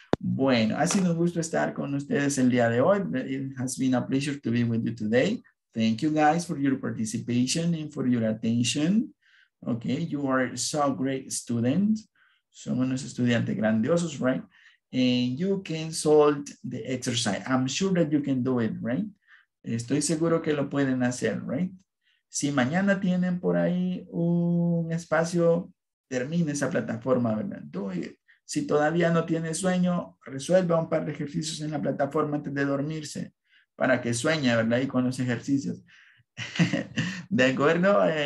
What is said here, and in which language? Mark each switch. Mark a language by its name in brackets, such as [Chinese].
[Spanish] Bueno, ha sido un gusto estar con ustedes el día de hoy. [English] It has been a pleasure to be with you today. Thank you guys for your participation and for your attention. Okay, you are so great students. [Spanish] Son unos estudiantes grandiosos, [English] right? And you can solve the exercise. I'm sure that you can do it, right? [Spanish] Estoy seguro que lo pueden hacer, right? Si mañana tienen por ahí un espacio, termine esa plataforma, ¿verdad? [English] Do it. [Spanish] Si todavía no tiene sueño, resuelva un par de ejercicios en la plataforma antes de dormirse para que sueñe, ¿verdad? Y con los ejercicios. ¿De acuerdo?